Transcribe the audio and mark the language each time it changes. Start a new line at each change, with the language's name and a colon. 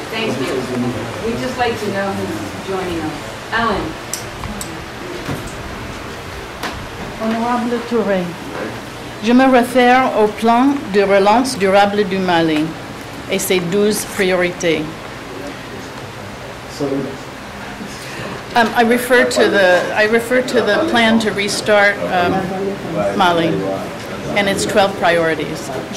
English: Thank you. We'd just like to know who's joining us. Alan.
French: Honorable Touré, je me réfère au plan de relance durable du Mali et ses 12 priorités.
English: I refer to the plan to restart Mali and its 12 priorities.